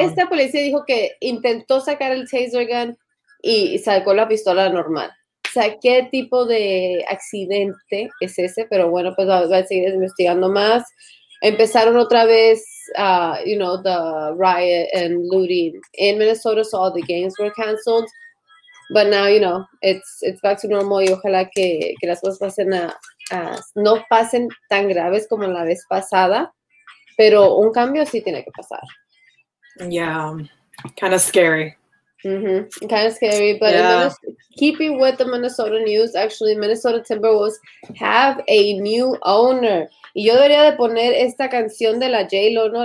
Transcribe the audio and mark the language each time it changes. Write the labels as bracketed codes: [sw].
[es] Esta policía dijo que intentó sacar el taser gun y sacó la pistola normal. O sea, ¿qué tipo de accidente es ese? Pero bueno, pues va a seguir investigando más. Empezaron otra vez [en] the riot and looting in Minnesota, so all the games were canceled. But now, you know, it's back to normal, [es] y ojalá que las cosas pasen no pasen tan graves como la vez pasada, pero un cambio sí tiene que pasar. [en] Yeah, kind of scary. Kind of scary, but keeping with the Minnesota news, actually, Minnesota Timberwolves have a new owner. [es] Y yo debería de poner esta canción de la J-Lo, ¿no?